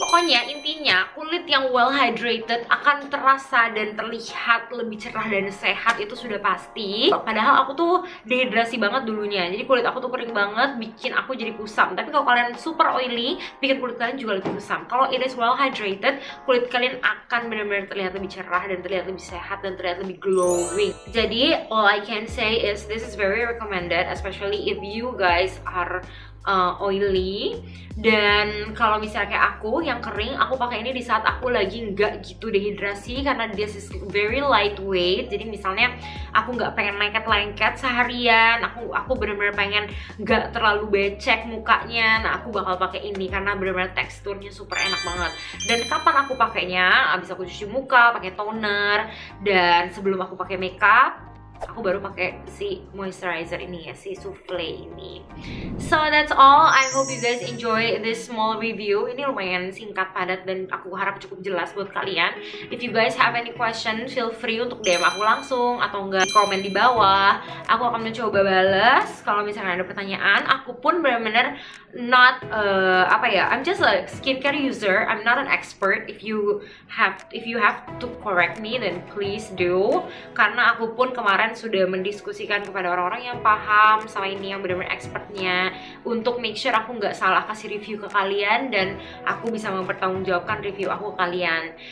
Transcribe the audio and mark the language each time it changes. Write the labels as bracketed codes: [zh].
[id] Pokoknya intinya kulit yang well hydrated akan terasa dan terlihat lebih cerah dan sehat, itu sudah pasti. Padahal aku tuh dehidrasi banget dulunya, jadi kulit aku tuh kering banget, bikin aku jadi kusam. Tapi kalau kalian super oily, bikin kulit kalian juga lebih kusam. Kalau [en] it is well hydrated, [id] kulit kalian akan benar-benar terlihat lebih cerah dan terlihat lebih sehat dan terlihat lebih glowing. Jadi [en] all I can say is this is very recommended, especially if you guys are oily. [id] Dan kalau misalnya kayak aku yang kering, aku pakai ini di saat aku lagi nggak gitu dehidrasi, karena [en] this is very lightweight. [id] Jadi misalnya aku nggak pengen lengket-lengket seharian, aku benar-benar pengen nggak terlalu becek mukanya, nah aku bakal pakai ini karena benar-benar teksturnya super enak banget. Dan kapan aku pakainya? Abis aku cuci muka, pakai toner, dan sebelum aku pakai makeup, aku baru pakai si moisturizer ini ya, si souffle ini. [en] So that's all, I hope you guys enjoy this small review. [id] Ini lumayan singkat, padat, dan aku harap cukup jelas buat kalian. [en] If you guys have any question, feel free [id] untuk DM aku langsung atau enggak komen di bawah. Aku akan mencoba balas kalau misalnya ada pertanyaan. Aku pun benar-benar [en] not I'm just a skincare user. I'm not an expert. If you have to correct me, then please do. [id] Karena aku pun kemarin sudah mendiskusikan kepada orang-orang yang paham sama ini, yang benar-benar expertnya, untuk make sure aku nggak salah kasih review ke kalian dan aku bisa mempertanggungjawabkan review aku ke kalian.